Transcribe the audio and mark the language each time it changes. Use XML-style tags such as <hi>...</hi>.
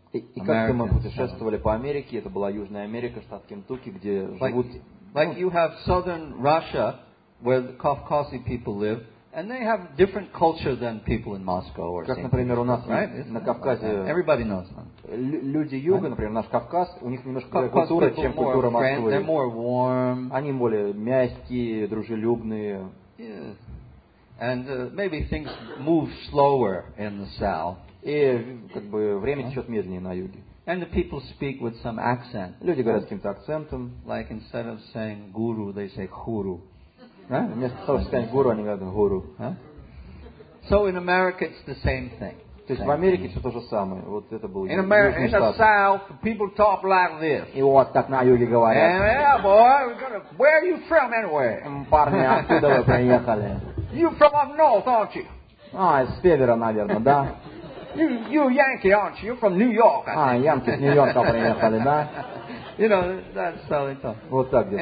<ru>И как-то мы путешествовали по Америке, это была Южная Америка, штат Кентукки, где живут.</ru> <en>Like you have southern Russia, where the Caucasian people live, and they have different culture than people in Moscow or</en> <ru>Как, например, у нас на Кавказе.</ru> <en>Everybody knows.</en> <ru>Люди юга, например, наш Кавказ, у них немножко другая культура, чем культура Москвы.</ru> <en>They're more warm.</en> <ru>Они более мягкие, дружелюбные.</ru> <en>And maybe things move slower in the south.</en> <ru>И как бы время течет медленнее на юге.</ru> <en>And the people speak with some accent.</en> <ru>Люди говорят с каким-то акцентом.</ru> <en>Like instead of saying guru, they say huru.</en> <ru>Вместо того, чтобы сказать гуру, они говорят гуру.</ru> <en>So in America it's the same thing.</en> <ru>То есть в Америке все то же самое. Вот это было.</ru> <en>In America, in the south, people talk like this.</en> <ru>И вот так на юге говорят.</ru> <en>Yeah, boy, where are you from anyway?</en> <ru>Парни, откуда вы приехали?</ru> <en>You from up north, aren't you?</en> <ru>А, с севера, наверное, да.</ru> <en>You Yankee, aren't you? You're from New York, I think.</en> <ru>А, Yankee, New York, приехали, да?</ru> <en>You know, that's how they talk.</en> <ru>Вот так где-то.</ru>